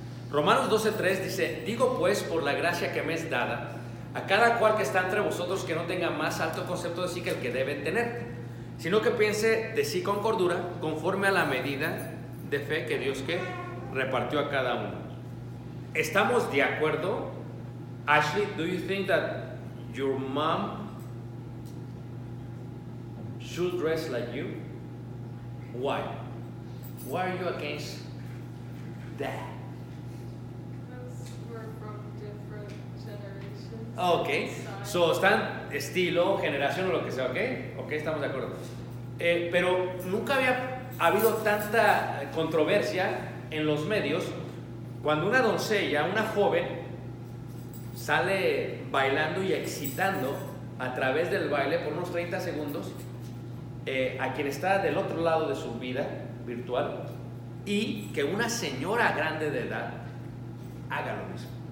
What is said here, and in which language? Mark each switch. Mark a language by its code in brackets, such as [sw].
[es] Romanos 12:3 dice, digo pues por la gracia que me es dada a cada cual que está entre vosotros que no tenga más alto concepto de sí que el que debe tener, sino que piense de sí con cordura, conforme a la medida de fe que Dios que repartió a cada uno. ¿Estamos de acuerdo? [en] Ashley, do you think that your mom should dress like you? Why? Why are you against that? Because we're from different generations. [es] Okay, so están estilo, generación o lo que sea, ¿ok? Ok, estamos de acuerdo. Pero nunca había habido tanta controversia en los medios cuando una doncella, una joven, sale bailando y excitando a través del baile por unos 30 segundos a quien está del otro lado de su vida virtual y que una señora grande de edad haga lo mismo.